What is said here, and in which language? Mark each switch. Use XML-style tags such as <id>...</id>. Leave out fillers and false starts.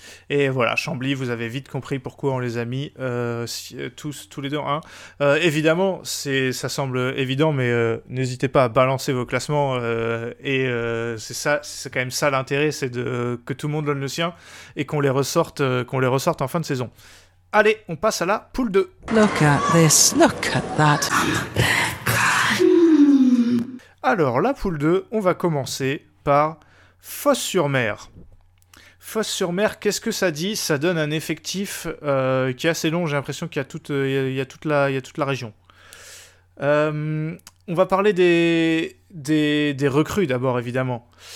<fr>Et voilà, Chambly, vous avez vite compris pourquoi on les a mis tous les deux en 1. Évidemment, ça semble évident, mais n'hésitez pas à balancer vos classements. C'est quand même ça l'intérêt, c'est que tout le monde donne le sien et qu'on les ressorte en fin de saison. Allez, on passe à la poule 2.</fr> <en>Look at this, look at that.</en> <fr>Alors, la poule 2, on va commencer par Fos-sur-Mer. Fos-sur-Mer, qu'est-ce que ça dit ? Ça donne un effectif qui est assez long, j'ai l'impression qu'il y a toute la région. On va parler des recrues d'abord, évidemment.</fr>